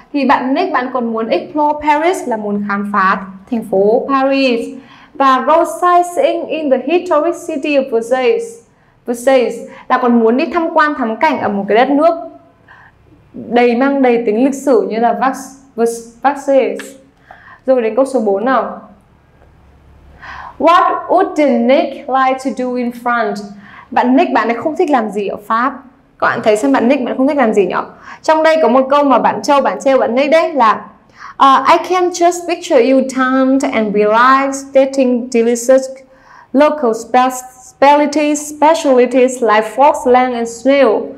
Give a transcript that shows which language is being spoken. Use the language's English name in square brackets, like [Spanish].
[Vietnamese] Thì bạn Nick, bạn còn muốn [English] explore Paris, [Vietnamese] là muốn khám phá thành phố Paris, và [English] go sightseeing in the historic city of Versailles. [Vietnamese] Versailles là còn muốn đi tham quan thắng cảnh ở một cái đất nước đầy mang đầy tính lịch sử như là Versailles. Rồi đến câu số 4 nào. [English] What would Nick like to do in France? [Vietnamese] Bạn Nick, bạn ấy không thích làm gì ở Pháp. Các bạn thấy xem bạn Nick, bạn không thích làm gì nhỉ? Trong đây có một câu mà bạn Châu, bạn trêu bạn Nick đấy là [English] I can just picture you tanned and relaxed, eating delicious local specialties like fox lang and snail.